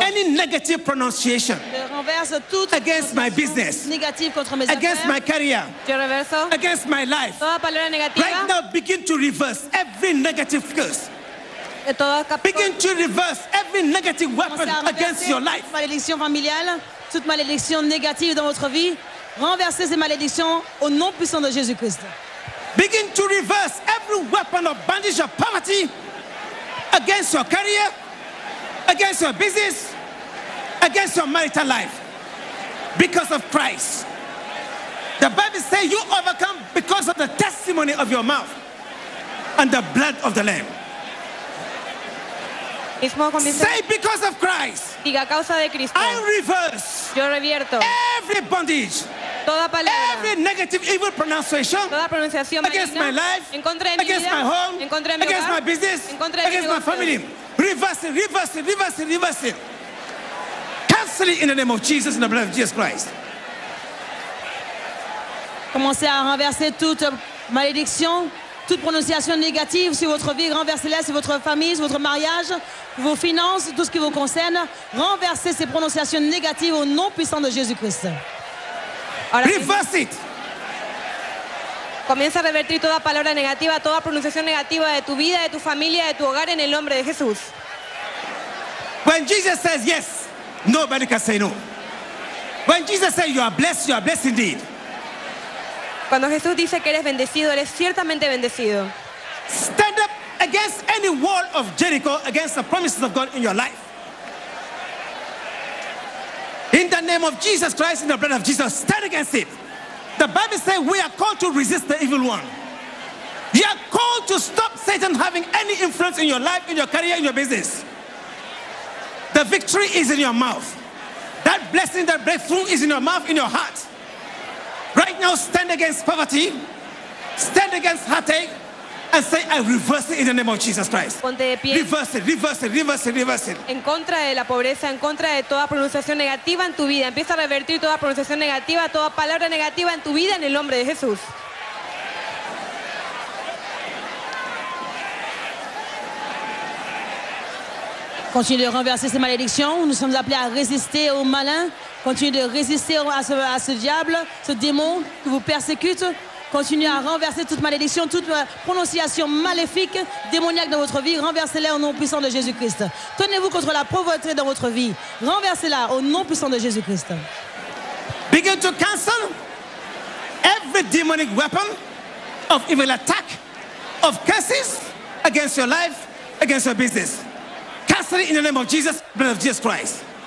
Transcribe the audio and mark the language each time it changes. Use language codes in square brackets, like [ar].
[en] any negative pronunciation against my business, against my career, against my life. [es] Toda palabra negativa. [en] Right now, begin to reverse every negative curse. Begin to reverse every negative weapon against your life. [fr] Malédiction familiale, toute malédiction négative dans votre vie. Renversez ces malédictions au nom puissant de Jésus Christ. [en] Begin to reverse every weapon of bondage of poverty against your career, against your business, against your marital life, because of Christ. The Bible says you overcome because of the testimony of your mouth and the blood of the Lamb. Say, because of Christ, [es] diga, causa de Cristo, [en] I reverse, [es] yo revierto, [en] every bondage, [es] toda palabra, [en] every negative evil pronunciation, [es] toda pronunciación [en] against [es] maligna, [en] my life, [es] en contra de [en] against [es] mi vida, [en] my home, [es] en contra de mi [en] against [es] hogar, [en] my business, [es] en contra de [en] against [es] mi [en] my family. Reverse it, reverse it, reverse it, reverse it. Cancel it in the name of Jesus, in the blood of Jesus Christ. [fr] Commencez à renverser toute malédiction, toute prononciation négative sur votre vie, renversez-la sur votre famille, sur votre mariage, vos finances, tout ce qui vous concerne. Renversez ces prononciations négatives au nom puissant de Jésus-Christ. [en] Reverse it. [es] Comienza a revertir toda palabra negativa, toda pronunciación negativa de tu vida, de tu familia, de tu hogar en el nombre de Jesús. [en] When Jesus says yes, nobody can say no. When Jesus says you are blessed indeed. [es] Cuando Jesús dice que eres bendecido, eres ciertamente bendecido. [en] Stand up against any wall of Jericho, against the promises of God in your life. In the name of Jesus Christ, in the blood of Jesus, stand against it. The Bible says we are called to resist the evil one. You are called to stop Satan having any influence in your life, in your career, in your business. The victory is in your mouth. That blessing, that breakthrough is in your mouth, in your heart. Right now, stand against poverty, stand against heartache, and say, I reverse it in the name of Jesus Christ. [es] Ponte de pie. [en] Reverse it, reverse it, reverse it, reverse it. [es] En contra de la pobreza, en contra de toda pronunciación negativa en tu vida. Empieza a revertir toda pronunciación negativa, toda palabra negativa en tu vida en el nombre de Jesús. [fr] Continue de renverser ces malédictions. Nous sommes appelés à résister aux malins. Continue de résister à ce diable, ce démon qui vous persécute. Continuez à renverser toute malédiction, toute prononciation maléfique, démoniaque dans votre vie. Renversez-la au nom puissant de Jésus-Christ. Tenez-vous contre la pauvreté dans votre vie. Renversez-la au nom puissant de Jésus-Christ. [en] Begin to cancel every demonic weapon of evil attack, of curses against your life, against your business. Cancel it in the name of Jesus, blood of Jesus Christ.